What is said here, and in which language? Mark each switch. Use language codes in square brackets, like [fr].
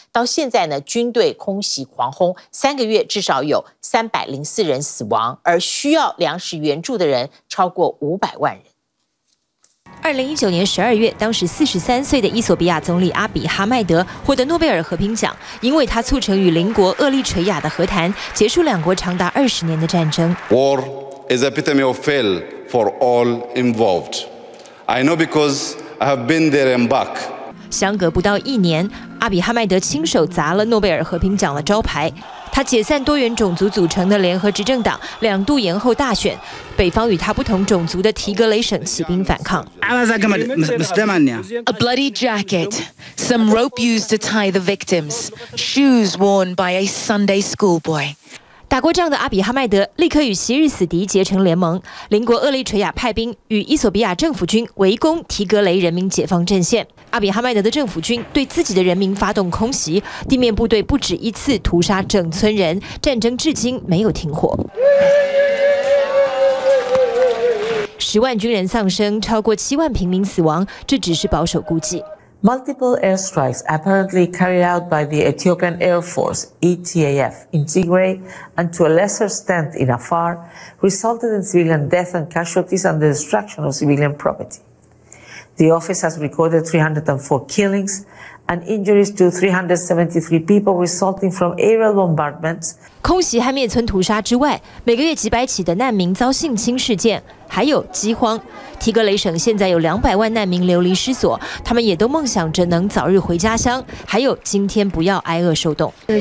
[zh] 到现在呢，军队空袭狂轰，3个月至少有304人死亡，而需要粮食援助的人超过500万人。 2019年12月，当时43岁的伊索比亚总理阿比哈迈德获得诺贝尔和平奖，因为他促成与邻国厄立垂亚的和谈，结束两国长达20年的战争。 [en] War is epitome of fail for all involved. I know because I have been there and back. [zh] 相隔不到一年，阿比哈迈德亲手砸了诺贝尔和平奖的招牌。他解散多元种族组成的联合执政党，两度延后大选。北方与他不同种族的提格雷省起兵反抗。 [en] A bloody jacket, some rope used to tie the victims, shoes worn by a Sunday schoolboy. [zh] 打过仗的阿比哈迈德立刻与昔日死敌结成联盟，邻国厄立垂亚派兵与伊索比亚政府军围攻提格雷人民解放阵线。阿比哈迈德的政府军对自己的人民发动空袭，地面部队不止一次屠杀整村人，战争至今没有停火。 10万军人丧生，超过7万平民死亡，这只是保守估计。 [en] Multiple airstrikes apparently carried out by the Ethiopian Air Force (ETAF) in Tigray and to a lesser extent in Afar resulted in civilian death and casualties and the destruction of civilian property. The office has recorded 304 killings and injuries to 373 people resulting from aerial bombardments. [zh] 空袭和灭村屠杀之外，每个月几百起的难民遭性侵事件，还有饥荒。提格雷省现在有200万难民流离失所，他们也都梦想着能早日回家乡，还有今天不要挨饿受冻。